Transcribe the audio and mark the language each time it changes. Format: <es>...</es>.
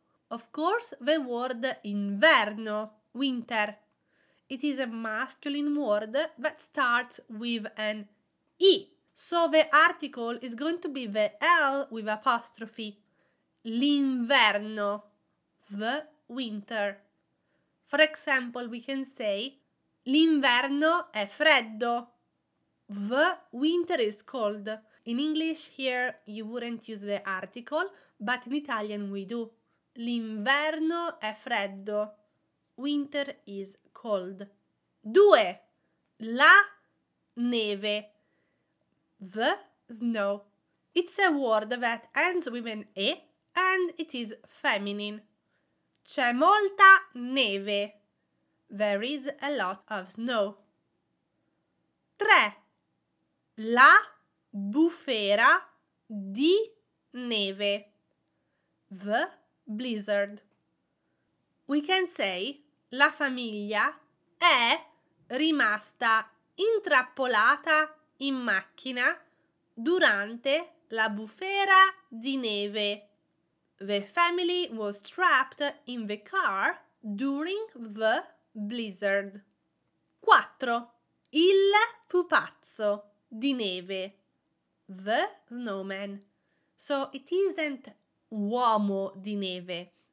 <en>Of course, the word inverno, winter. It is a masculine word that starts with an I. So the article is going to be the L with apostrophe. L'inverno, the winter. For example, we can say</en> <it>l'inverno è freddo.</it> <en>The winter is cold. In English here you wouldn't use the article, but in Italian we do.</en> <it>L'inverno è freddo.</it> <en>Winter is cold.</en> <it>2.</it> <en>La neve. The snow. It's a word that ends with an E and it is feminine.</en> <it>C'è molta neve.</it> <en>There is a lot of snow.</en> <it>3. La bufera di neve.</it> <en>The blizzard. We can say</en> <it>la famiglia è rimasta intrappolata in macchina durante la bufera di neve.</it> <en>The family was trapped in the car during the blizzard.</en> <it>4. Il pupazzo di neve.</it> <en>The snowman. So it isn't uomo di neve.</en>